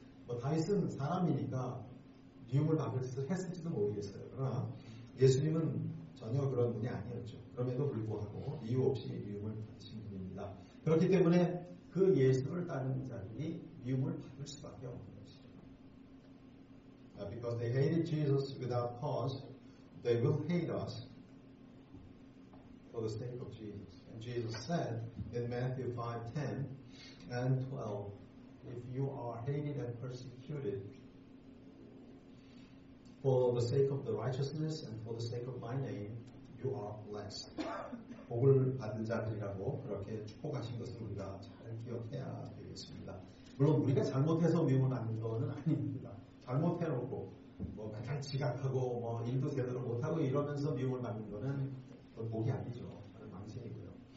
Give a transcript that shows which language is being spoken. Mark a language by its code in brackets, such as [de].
[ko] 뭐 다윗은 사람이니까 미움을 받을 짓을 했을지도 모르겠어요. 그러나 예수님은 전혀 그런 분이 아니었죠. 그럼에도 불구하고 이유 없이 미움을 받으신 분입니다. 그렇기 때문에 그 예수를 따르는 자들이 미움을 받을 수밖에 없는 것이죠. [en] Because they hated Jesus without cause, they will hate us for the sake of Jesus. And Jesus said in Matthew 5:10 and 12, if you are hated and persecuted for the sake of the righteousness and for the sake of my name, you are blessed. [ko] 복을 받는 자들이라고 그렇게 축복하신 것을 우리가 잘 기억해야 되겠습니다. 물론 우리가 잘못해서 미움을 받는 것은 아닙니다. 잘못해놓고 뭐 맨날 지각하고 뭐 일도 제대로 못하고 이러면서 미움을 받는 것은 복이 아니죠. 망신이고요.